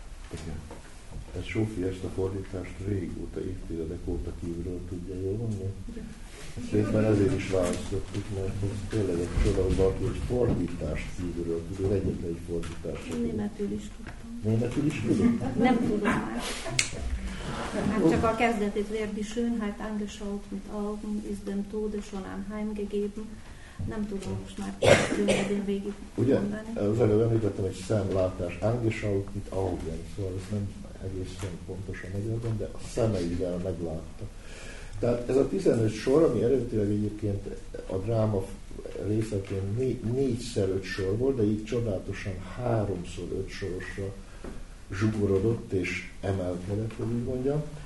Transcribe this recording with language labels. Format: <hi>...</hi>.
<hu>Igen. Hát Sofi ezt a fordítást régóta, évtizedek óta kívülről tudja, jól mondani? Szépen ezért is választottuk, mert ez tényleg egy csodálatos, hogy fordítást kívülről tudja, egyetlen egy fordítást. Németül is tudtam. Németül is tudom? Nem tudom már. Hát csak a kezdetét</hu> <de>Verdi Schönheit angeschaut mit Augen, ist dem Tode schon anheimgegeben.</de> <hu>Nem tudom most már kérdődén végig mondani. Ugye, az előbb említettem egy szemlátást,</hu> <de>angeschaut mit Augen,</de> <hu>szóval ezt nem egészen pontosan megjelent, de a szemeivel meglátta. Tehát ez a 15 sor, ami eredetileg egyébként a dráma részeként 4x5 sor volt, de így csodálatosan 3x5 sorosra zsugorodott és emelkedett, hogy úgy mondjam.</hu>